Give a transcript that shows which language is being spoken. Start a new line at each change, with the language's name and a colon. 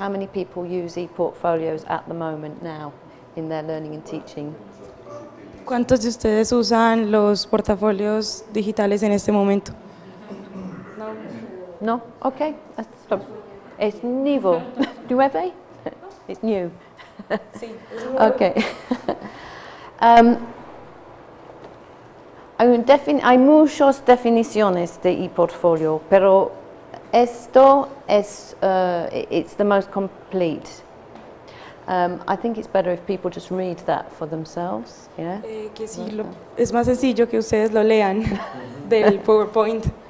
English: How many people use e-portfolios at the moment now in their learning and teaching?
Spanish: ¿Cuántos de ustedes usan los portafolios digitales en este momento?
English: No. No? Okay. It's nuevo. ¿Nuevo? It's new.
Spanish: Sí. Okay. Hay muchas definiciones de e-portfolio, pero esto es
English: it's the most complete. I think it's better if people just read that for themselves. Yeah.
Spanish: Que sí, okay. Es más sencillo que ustedes lo lean del PowerPoint.